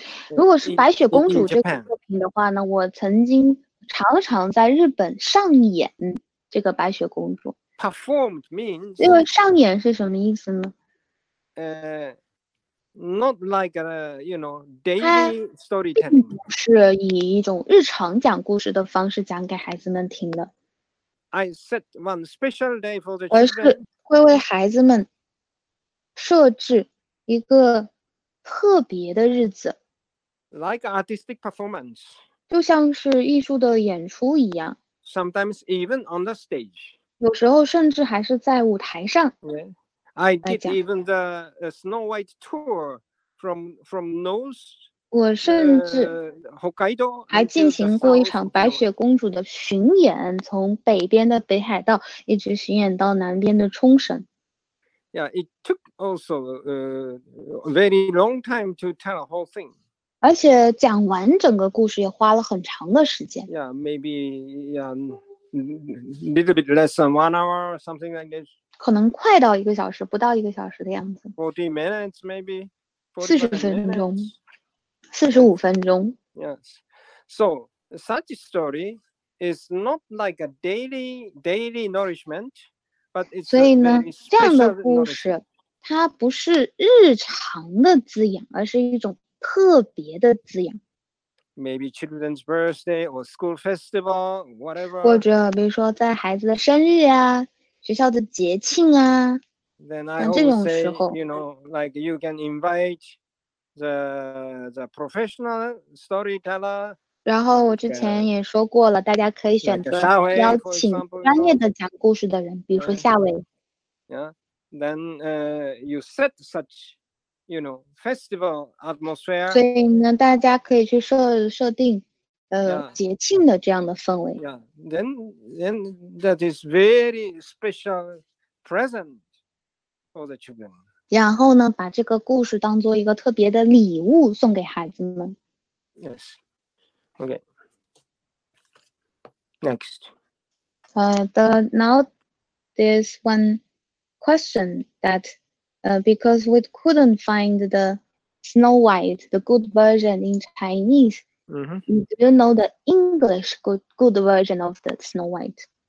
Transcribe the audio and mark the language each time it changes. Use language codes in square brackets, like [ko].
[zh] 如果是白雪公主这个作品的话呢，我曾经常常在日本上演这个白雪公主。 [en] Performed means [zh] 这个上演是什么意思呢？ [en] not like a, you know, daily storytelling. [zh] 是以一种日常讲故事的方式讲给孩子们听的。 [en] I set one special day for the children. [zh] 而是会为孩子们设置一个特别的日子。 [en] Like artistic performance. [zh] 就像是艺术的演出一样。 [en] Sometimes even on the stage. [zh] 有时候甚至还是在舞台上。 [en] Yeah. I did even the Snow White tour from North. [zh] 我甚至 [en] Hokkaido [zh] 还进行过一场白雪公主的巡演，从北边的北海道一直巡演到南边的冲绳。 [en] Yeah, it took also a very long time to tell a whole thing. [zh] 而且讲完整个故事也花了很长的时间。 [en] Yeah, maybe yeah, little bit less than 1 hour or something like this. [zh] 可能快到一个小时，不到一个小时的样子。 [en] 40 minutes maybe. [zh] 40分钟，45分钟。 [en] Yes. So such a story is not like a daily nourishment, but it's [zh] 所以呢，这样的故事，它不是日常的滋养，而是一种特别的滋养。 [en] Maybe children's birthday or school festival, whatever. [zh] 或者比如说在孩子的生日啊。学校的节庆啊，像这种时候 [en] you know, like you can invite the professional storyteller. [zh] 然后我之前也说过了，大家可以选择邀请专业的讲故事的人，比如说夏威。 [en] Yeah, then you set such, you know, festival atmosphere. [zh] 所以呢，大家可以去设定。节庆的这样的氛围。 [en] Yeah, then that is very special present for the children. [zh] 然后呢，把这个故事当做一个特别的礼物送给孩子们。 [en] Yes. Okay. Next. Now there's one question that, because we couldn't find the Snow White, the good version in Chinese. Mm-hmm. Do you know the English good version of the Snow White?